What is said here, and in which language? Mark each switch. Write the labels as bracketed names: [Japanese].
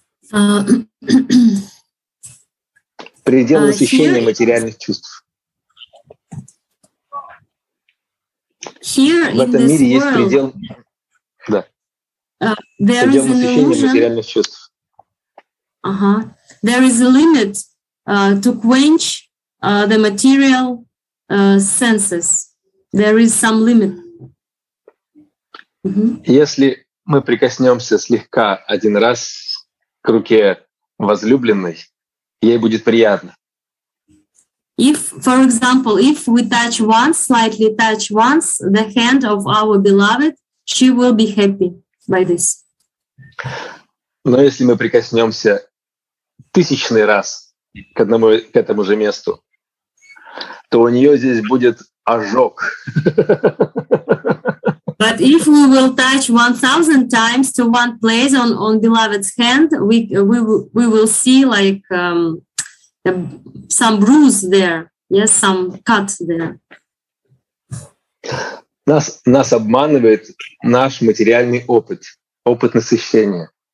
[Russian] Предел насыщения материальных чувств. [English] Here [Russian] в этом мире [English] world, [Russian] есть предел, да, предел насыщения материальных чувств. [English] There is a limit to quench the material senses. There is some limit. [Russian] Если мы прикоснемся слегка один раз к руке возлюбленной, ей будет приятно. [English] If, for example, if we touch once, slightly touch once the hand of our beloved, she will be happy by this. [Russian] Но если мы прикоснемся тысячный раз к одному, к этому же месту, то у нее здесь будет ожог. [English] But if we will touch 1,000 times to one place on beloved's hand, we will see like some bruise there, yes, some cut there. [Russian] Нас обманывает наш материальный опыт, опыт насыщения.